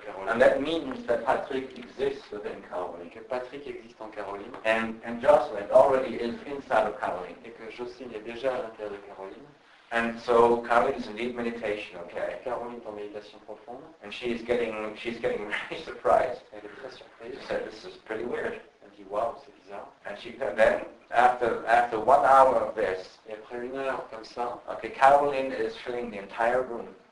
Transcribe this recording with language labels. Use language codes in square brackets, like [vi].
[en] And that means that Patrick exists within Caroline. [fr] Que Patrick existe en Caroline. [en] And Jocelyn already is inside of Caroline. [fr] Et que Jocelyn est déjà à l'intérieur de Caroline. [en] And so Caroline is in deep meditation, okay? [fr] Caroline est en méditation profonde. [en] And she's getting very surprised. [fr] Elle est très surprise. [en] She said, this is pretty weird. [fr] Elle dit, wow, c'est bizarre. [en] And she then after 1 hour of this. [fr] Et après une heure comme ça. [en] Okay, Caroline is filling the entire room.